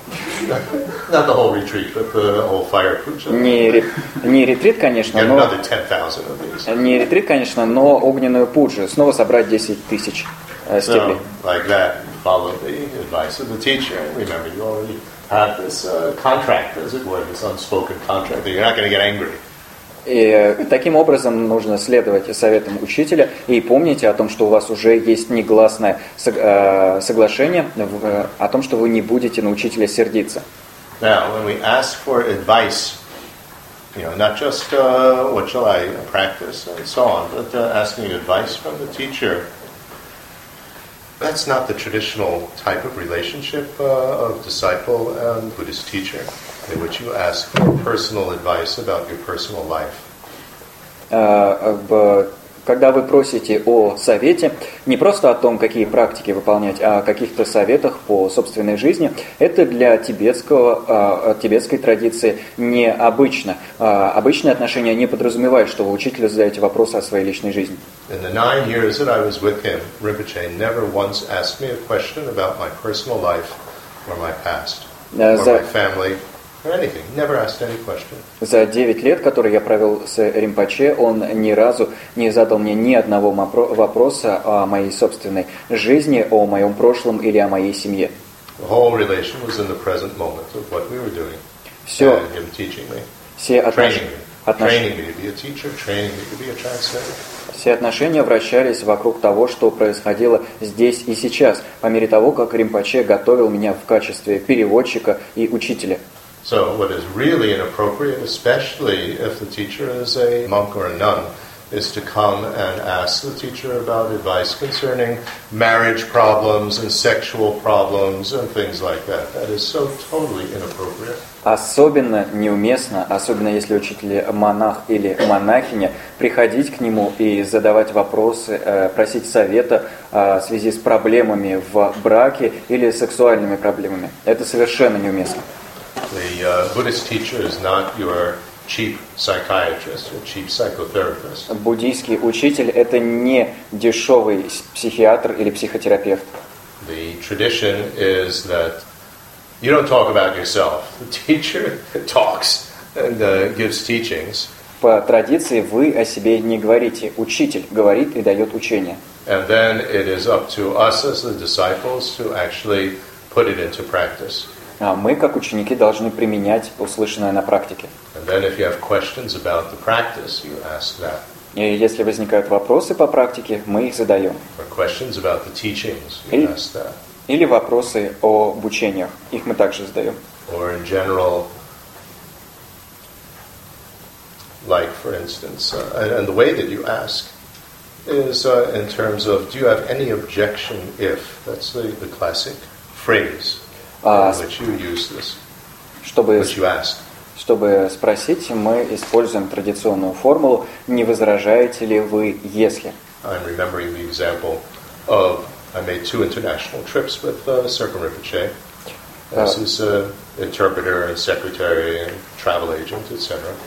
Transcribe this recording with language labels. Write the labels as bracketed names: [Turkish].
[English] Not the whole retreat, but the whole fire puja. [Russian] Не ретрит, конечно, но... [English] Another 10,000 of these. [Russian] Не ретрит, конечно, но огненную пуджу, снова собрать 10,000 стеблей. [English] So, like that. Follow the advice of the teacher. Remember, you already have this contract, as it were, this unspoken contract that you're not going to get angry. [Russian] И таким образом нужно следовать советам учителя и помните о том, что у вас уже есть негласное соглашение о том, что вы не будете на учителя сердиться. [English] Now, when we ask for advice, you know, not just what shall I practice and so on, but asking advice from the teacher. That's not the traditional type of relationship of disciple and Buddhist teacher, in which you ask for personal advice about your personal life. [Russian] Когда вы просите о совете, не просто о том, какие практики выполнять, а о каких-то советах по собственной жизни, это для тибетской традиции необычно. Обычные отношения не подразумевают, что вы учителю задаете вопросы о своей личной жизни. [English] In the 9 years that I was with him, Ринпоче never once asked me a question about my personal life or my past, or my family. Never asked any question. [Russian] За 9 лет, которые я провел с Ринпоче, он ни разу не задал мне ни одного вопроса о моей собственной жизни, о моем прошлом или о моей семье. [English] The whole relation was in the present moment of what we were doing. [Russian] Все. [English] And him teaching me. [Russian] Все [English] training me to be a teacher, training me to be a translator. [Russian] Все отношения вращались вокруг того, что происходило здесь и сейчас, по мере того, как Ринпоче готовил меня в качестве переводчика и учителя. [English] So what is really inappropriate, especially if the teacher is a monk or a nun, is to come and ask the teacher about advice concerning marriage problems and sexual problems and things like that. That is so totally inappropriate. [Russian] Особенно неуместно, особенно если учитель монах или монахиня, приходить к нему и задавать вопросы, просить совета в связи с проблемами в браке или сексуальными проблемами. Это совершенно неуместно. [English] The Buddhist teacher is not your cheap psychiatrist or cheap psychotherapist. [Russian] Буддийский учитель — это не дешевый психиатр или психотерапевт. [English] The tradition is that you don't talk about yourself. The teacher talks and gives teachings, [Russian] По традиции вы о себе не говорите. Учитель говорит и дает учение. [English] And then it is up to us as the disciples to actually put it into practice. [Russian] А мы, как ученики, должны применять услышанное на практике. [English] And then if you have questions about the practice, you ask that. [Russian] И если возникают вопросы по практике, мы их задаем. [English] Or questions about the teachings, you ask that. [Russian] Или вопросы об учениях, их мы также задаем. [English] Or in general, like, for instance, and the way that you ask is in terms of, do you have any objection if? That's the classic phrase which you use this, which you ask. [Russian] Чтобы спросить, мы используем традиционную формулу, не возражаете ли вы, если? [English] I'm remembering the example of, I made two international trips with Serpa Rinpoche. This is an interpreter and secretary and travel agent, etc.